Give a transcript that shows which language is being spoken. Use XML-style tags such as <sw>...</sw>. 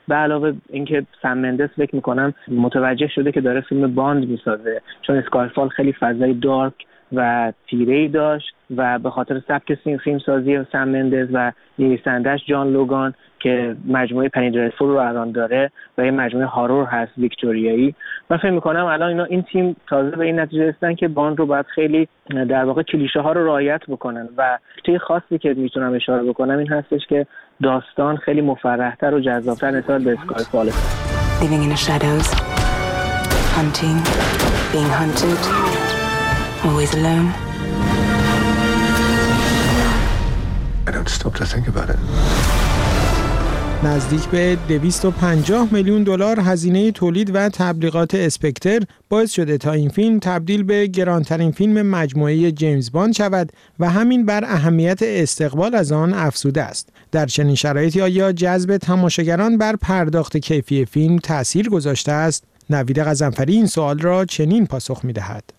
<fa>به علاوه اینکه سم مندس فکر میکنم متوجه شده که داره فیلم باند میسازه، چون اسکایفال خیلی فضای دارک و تیره ای داشت و به خاطر سبک فیلم سازی سم مندس و نویسندهش جان لوگان که مجموعه پنی دردفول رو الان داره و یه مجموعه هارور هست ویکتوریایی، من فکر میکنم الان اینا این تیم تازه به این نتیجه رسیدن که باند رو باید خیلی در واقع کلیشه ها رو رعایت بکنن. و چیز خاصی که میتونم اشاره بکنم این هستش که داستان خیلی مفرح‌تر و جذاب‌تر نسبت به اسکایفال.</fa> <en>Living in the shadows, hunting, being hunted, always alone. I don't stop to think about it.</en> <fa>نزدیک به 250 میلیون دلار هزینه تولید و تبلیغات اسپکتر باعث شده تا این فیلم تبدیل به گرانترین فیلم مجموعه جیمز باند شود و همین بر اهمیت استقبال از آن افزوده است. در چنین شرایطی آیا جذب تماشاگران بر پرداخت کیفی فیلم تأثیر گذاشته است؟ نوید غضنفری این سوال را چنین پاسخ می‌دهد:</fa>